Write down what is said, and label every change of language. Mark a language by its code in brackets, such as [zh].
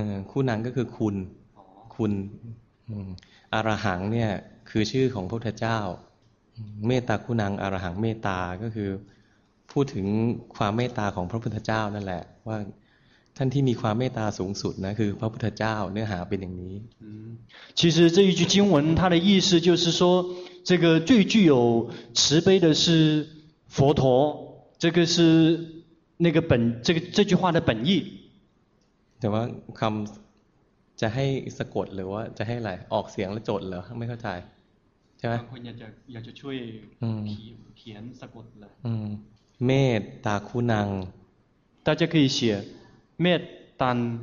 [th] คู่นังก็คือคุณอารหังเนี่ยคือชื่อของพระพุทธเจ้าเมตตาคู่นังอารหังเมตตาก็คือพูดถึงความเมตตาของพระพุทธเจ้านั่นแหละว่าท่านที่มีความเมตตาสูงสุดนะคือพระพุทธเจ้าเนื้อหาเป็นอย่างนี้ [zh] 其实这一句经文它的意思就是说这个最具有慈悲的是佛陀这个是那个本这个这句话的本意 [th] แต่ว่าคำจะให้สะกดหรือว่าจะให้อะไรออกเสียงแล้วจดเหรอไม่เข้าใจใช่ไหม คนอยากจะช่วยเขียนสะกดเลย เมตตาคุณัง [zh] 大家可以写เมตตัน